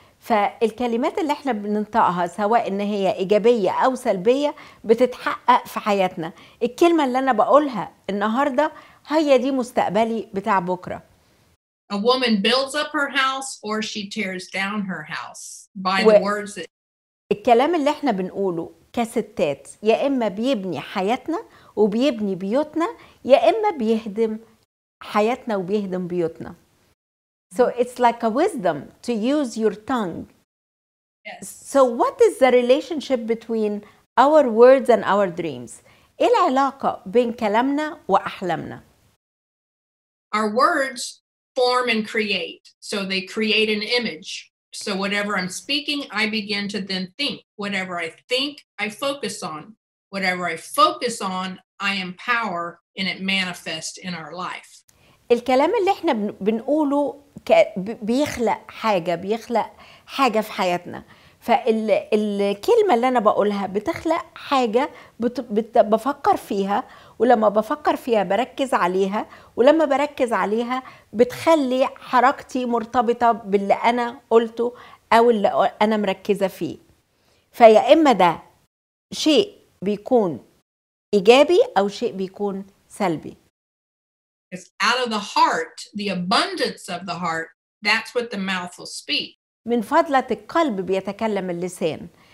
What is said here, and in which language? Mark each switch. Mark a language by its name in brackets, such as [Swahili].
[Arabic] فالكلمات اللي احنا بننطقها سواء ان هي ايجابية او سلبية بتتحقق في حياتنا. الكلمة اللي انا بقولها النهاردة هي دي مستقبلي بتاع بكرة. [English] A woman builds up her house or she tears down her house by the words that... [Arabic] الكلام اللي احنا بنقوله كستات يا اما بيبني حياتنا وبيبني بيوتنا يا اما بيهدم حياتنا وبيهدم بيوتنا. [English] So it's like a wisdom to use your tongue. Yes. So what is the relationship between our words and our dreams? [Arabic] ايه العلاقة بين كلامنا واحلامنا؟ [English] Our words form and create. So they create an image. So whatever I'm speaking, I begin to then think. Whatever I think, I focus on. Whatever I focus on, I empower and it manifests in our life. [Arabic] الكلام اللي احنا بنقوله بيخلق حاجة، بيخلق حاجة في حياتنا. فالكلمة اللي انا بقولها بتخلق حاجة بفكر فيها، ولما بفكر فيها بركز عليها، ولما بركز عليها بتخلي حركتي مرتبطة باللي انا قلته او اللي انا مركزة فيه. فيا اما ده شيء بيكون ايجابي او شيء بيكون سلبي. [English] It's out of the heart, the abundance of the heart, that's what the mouth will speak. [Arabic] من فضلة القلب بيتكلم اللسان.